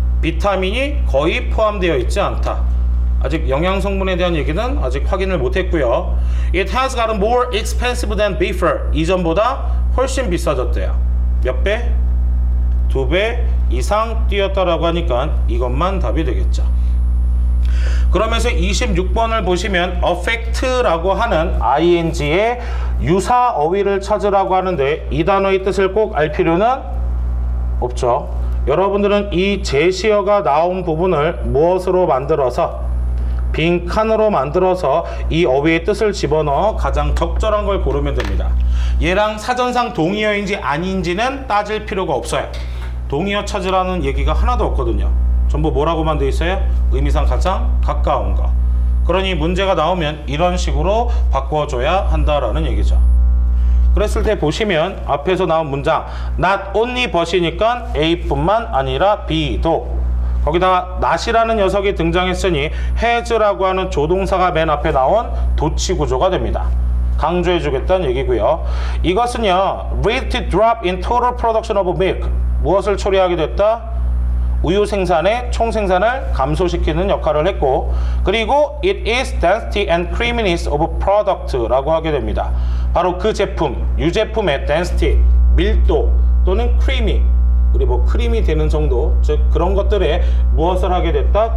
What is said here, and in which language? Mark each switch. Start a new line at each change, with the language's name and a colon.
Korean: 비타민이 거의 포함되어 있지 않다. 아직 영양 성분에 대한 얘기는 아직 확인을 못했고요.
English: It has gotten more expensive than before.
Korean: 이전보다 훨씬 비싸졌대요. 몇 배? 두 배 이상 뛰었다라고 하니까 이것만 답이 되겠죠. 그러면서 26번을 보시면 affect라고 하는 ing의 유사 어휘를 찾으라고 하는데 이 단어의 뜻을 꼭 알 필요는 없죠. 여러분들은 이 제시어가 나온 부분을 무엇으로 만들어서 빈칸으로 만들어서 이 어휘의 뜻을 집어넣어 가장 적절한 걸 고르면 됩니다. 얘랑 사전상 동의어인지 아닌지는 따질 필요가 없어요. 동의어 찾으라는 얘기가 하나도 없거든요. 전부 뭐라고만 돼 있어요? 의미상 가장 가까운 거. 그러니 문제가 나오면 이런 식으로 바꿔줘야 한다라는 얘기죠. 그랬을 때 보시면 앞에서 나온 문장 not only but이니까 A뿐만 아니라 B도 거기다가 not이라는 녀석이 등장했으니 has라고 하는 조동사가 맨 앞에 나온 도치 구조가 됩니다. 강조해 주겠다는 얘기고요. 이것은요
English: rate drop in total production of milk
Korean: 무엇을 초래하게 됐다? 우유 생산의 총 생산을 감소시키는 역할을 했고 그리고
English: it is density and creaminess of product
Korean: 라고 하게 됩니다. 바로 그 제품, 유제품의 density, 밀도 또는 creamy 우리 뭐 크림이 되는 정도 즉 그런 것들에 무엇을 하게 됐다?